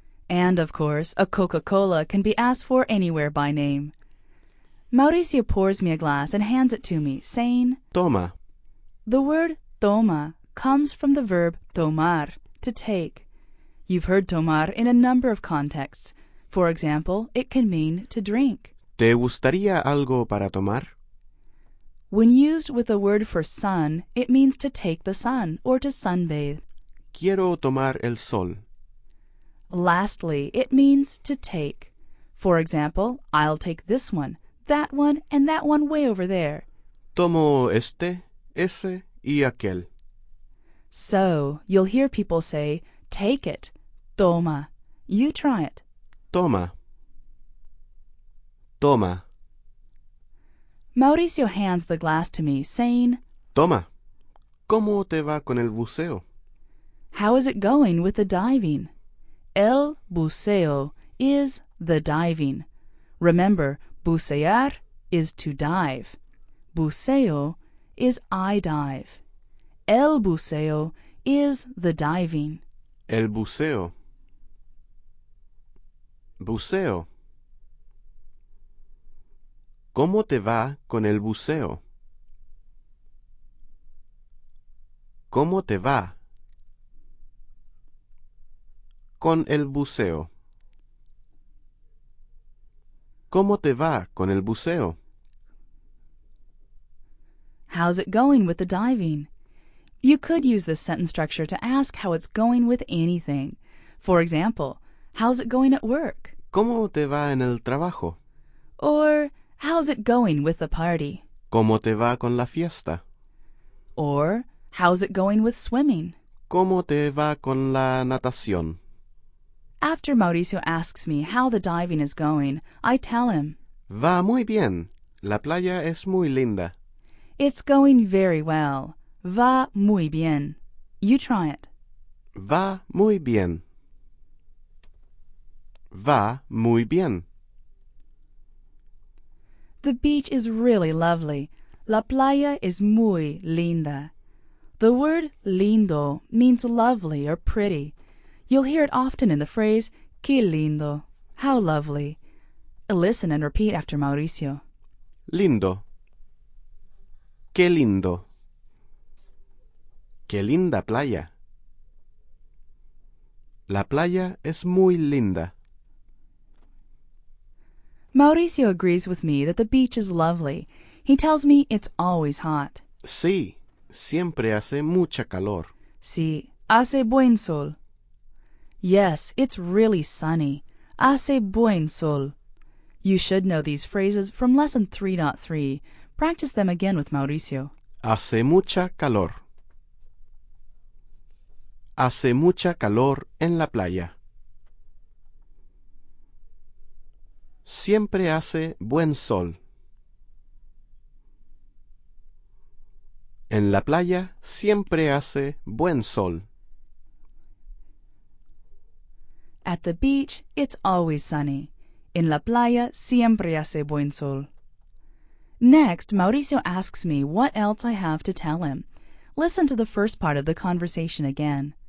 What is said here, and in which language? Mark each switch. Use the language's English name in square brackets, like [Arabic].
[English] And, of course, a Coca-Cola can be asked for anywhere by name. Mauricio pours me a glass and hands it to me, saying, [Spanish] Toma. [English] The word toma comes from the verb tomar, to take. You've heard tomar in a number of contexts. For example, it can mean to drink. [Spanish] ¿Te gustaría algo para tomar? [English] When used with a word for sun, it means to take the sun or to sunbathe. [Spanish] Quiero tomar el sol. [English] Lastly, it means to take. For example, I'll take this one, and that one way over there. [Spanish] Tomo este, ese y aquel. [English] So, you'll hear people say, take it, toma. You try it. [Spanish] Toma. Toma. [English] Mauricio hands the glass to me, saying, [Spanish] Toma, ¿cómo te va con el buceo? [English] How is it going with the diving? El buceo is the diving. Remember, bucear is to dive. Buceo is I dive. El buceo is the diving. [Spanish] El buceo. Buceo. ¿Cómo te va con el buceo? ¿Cómo te va con el buceo? ¿Cómo te va con el buceo? [English] How's it going with the diving? You could use this sentence structure to ask how it's going with anything. For example, how's it going at work? [Spanish] ¿Cómo te va en el trabajo? [English] Or, how's it going with the party? [Spanish] ¿Cómo te va con la fiesta? [English] Or, how's it going with swimming? [Spanish] ¿Cómo te va con la natación? [English] After Mauricio asks me how the diving is going, I tell him, [Spanish] Va muy bien. La playa es muy linda. [English] It's going very well. [Spanish] Va muy bien. [English] You try it. [Spanish] Va muy bien. Va muy bien. [English] The beach is really lovely. [Spanish] La playa es muy linda. [English] The word lindo means lovely or pretty. You'll hear it often in the phrase, [Spanish] qué lindo, [English] how lovely. Listen and repeat after Mauricio. [Spanish] Lindo. Qué lindo. Qué linda playa. La playa es muy linda. [English] Mauricio agrees with me that the beach is lovely. He tells me it's always hot. [Spanish] Sí, siempre hace mucha calor. Sí, hace buen sol. [English] Yes, it's really sunny. [Spanish] Hace buen sol. [English] You should know these phrases from lesson 3.3. Practice them again with Mauricio. [Spanish] Hace mucha calor. Hace mucha calor en la playa. Siempre hace buen sol. En la playa siempre hace buen sol. [English] At the beach, it's always sunny. [Spanish] En la playa siempre hace buen sol. [English] Next, Mauricio asks me what else I have to tell him. Listen to the first part of the conversation again.